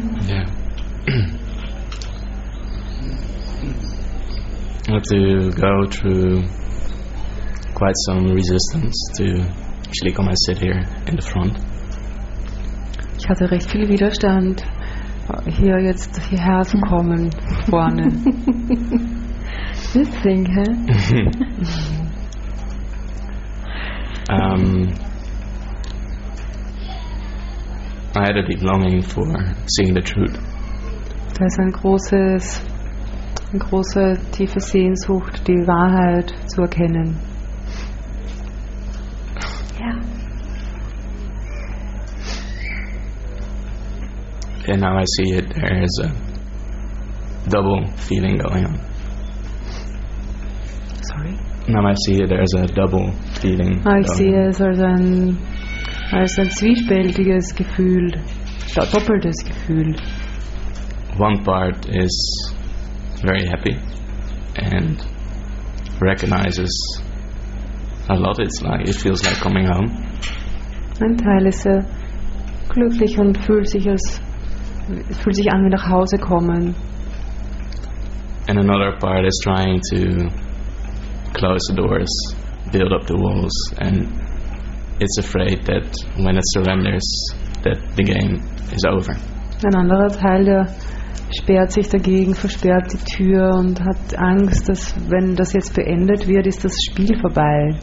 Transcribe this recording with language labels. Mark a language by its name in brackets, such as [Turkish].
[English] Yeah. I had to go through quite some resistance to actually come and sit here in the front. [German] Ich hatte recht viel Widerstand hier jetzt hierher zu kommen vorne. [English] This thing, huh? I had a deep longing for seeing the truth. [German] Da ist eine große tiefe Sehnsucht, die Wahrheit zu erkennen. Ja. [English] And now I see it, there is a double feeling going on. Now I see there's a double feeling. I see there's a [German] zwiespältiges Gefühl, doppeltes Gefühl. [English] One part is very happy and recognizes a lot. It feels like coming home. [German] Ein Teil ist sehr glücklich und fühlt sich an wie nach Hause kommen. [English] And another part is trying to close the doors, build up the walls, and it's afraid that when it surrenders, that the game is over. [German] Ein anderer Teil, der sperrt sich dagegen, versperrt die Tür und hat Angst, dass wenn das jetzt beendet wird, ist das Spiel vorbei.